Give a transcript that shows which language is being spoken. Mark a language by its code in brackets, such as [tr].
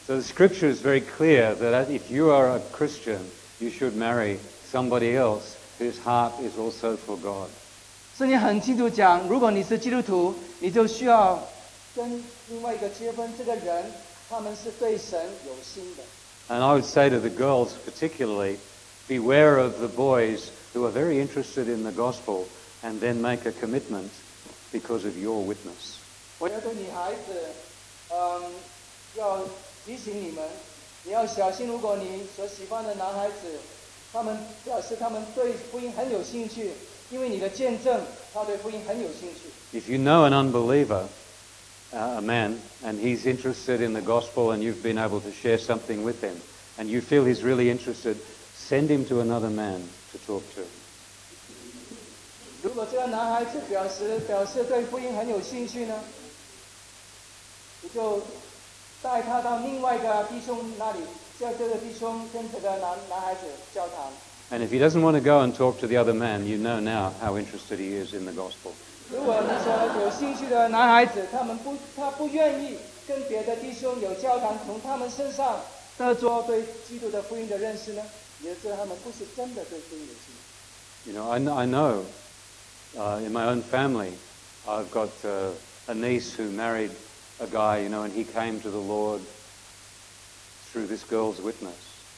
[en] So the scripture is very clear that if you are a Christian, you should marry somebody else whose heart is also for God. [zh] 圣经很清楚讲，如果你是基督徒，你就需要跟另外一个结婚，这个人他们是对神有心的。 [en] And I would say to the girls particularly, beware of the boys who are very interested in the gospel and then make a commitment because of your witness. [zh] 我要对女孩子，要提醒你们，你要小心，如果你所喜欢的男孩子，他们表示他们对福音很有兴趣，因为你的见证，他对福音很有兴趣。 [en] If you know an unbeliever, a man, and he's interested in the gospel, and you've been able to share something with him, and you feel he's really interested, send him to another man to talk to. [zh] 如果这个男孩子表示对福音很有兴趣呢，你就带他到另外一个弟兄那里，叫这个弟兄跟这个男孩子交谈。 [en] And if he doesn't want to go and talk to the other man, you know now how interested he is in the gospel. [zh] 如果你说有兴趣的男孩子，他不愿意跟别的弟兄有交谈，从他们身上得着对基督的福音的认识呢，你就知道他们不是真的对福音有兴趣。 [en] You know, I know, in my own family, I've got a niece who married. A guy, you know, and he came to the Lord through this girl's witness.